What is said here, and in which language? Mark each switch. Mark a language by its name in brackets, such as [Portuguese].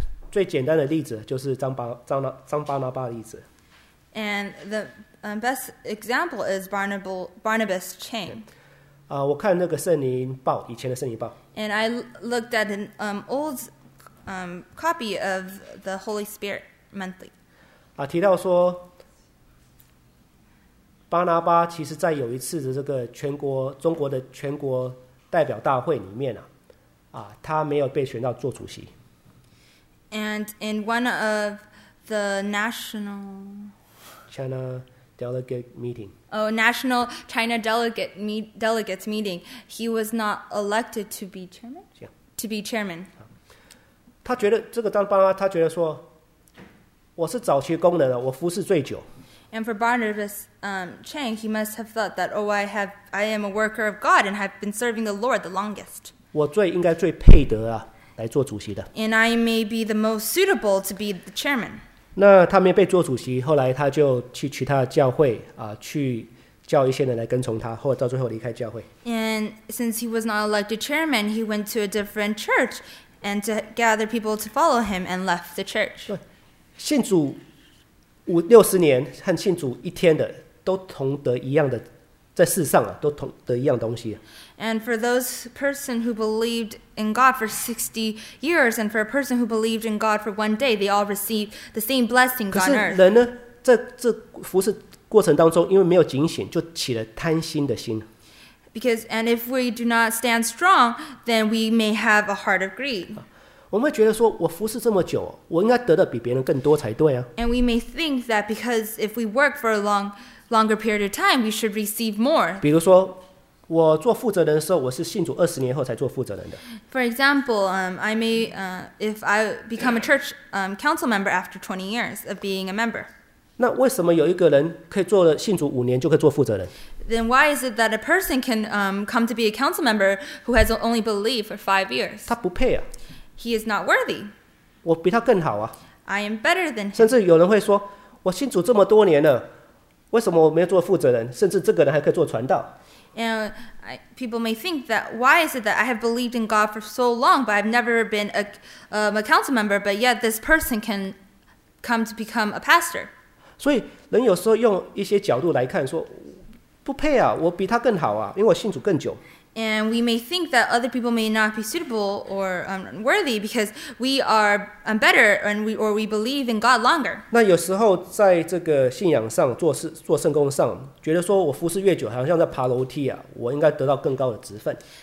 [Chinese] 最简单的例子就是张巴拿巴的例子。 [English] And the best example is Barnabas' chain. [Chinese] 我看那个圣灵报，以前的圣灵报。 [English] And I looked at an old copy of the Holy Spirit monthly. [Chinese] 提到说，巴拿巴其实在有一次的这个中国的全国代表大会里面他没有被选到做主席。 [English] And in one of the national... China delegate meeting. Oh, national China delegate delegates meeting. He was not elected to be chairman. Yeah. To be chairman. [Chinese] 他觉得这个当巴拿巴，他觉得说，我是早期工人了，我服侍最久。 [English] And for Barnabas, Chang, he must have thought that, oh, I am a worker of God and have been serving the Lord the longest. [Chinese] 我最应该最配得啊，来做主席的。 [English] And I may be the most suitable to be the chairman. [Chinese] 那他没被做主席，后来他就去其他的教会去叫一些人来跟从他，或者到最后离开教会。 [English] And since he was not elected chairman, he went to a different church and to gather people to follow him and left the church. [Chinese] 信主五六十年和信主一天的都同得一样的，在世上都同得一样东西。 [English] And for those person who believed in God for 60 years, and for a person who believed in God for one day, they all received the same blessing on earth. [Chinese] 可是人呢，在这服侍过程当中，因为没有警醒，就起了贪心的心。 [English] Because and if we do not stand strong, then we may have a heart of greed. [Chinese] 我们会觉得说，我服侍这么久，我应该得的比别人更多才对啊。 [English] And we may think that because if we work for a longer period of time, we should receive more. [Chinese] 比如说。我做负责人的时候，我是信主二十年后才做负责人的。 [English] For example, I may if I become a church council member after 20 years of being a member. [Chinese] 那为什么有一个人可以做了信主五年就可以做负责人 [English] ？Then why is it that a person can come to be a council member who has only believed for 5 years? [Chinese] 他不配啊。 [English] He is not worthy. [Chinese] 我比他更好啊。 [English] I am better than him. [Chinese] 甚至有人会说，我信主这么多年了，为什么我没有做负责人？甚至这个人还可以做传道。 [English] And people may think that why is it that I have believed in God for so long, but I've never been a council member, but yet this person can come to become a pastor. [Chinese] 所以人有时候用一些角度来看，说不配啊，我比他更好啊，因为我信主更久。 [English] And we may think that other people may not be suitable or worthy because we are better and we believe in God longer. [Chinese] 那有时候在这个信仰上做圣工上，觉得说我服侍越久，好像在爬楼梯啊，我应该得到更高的职分。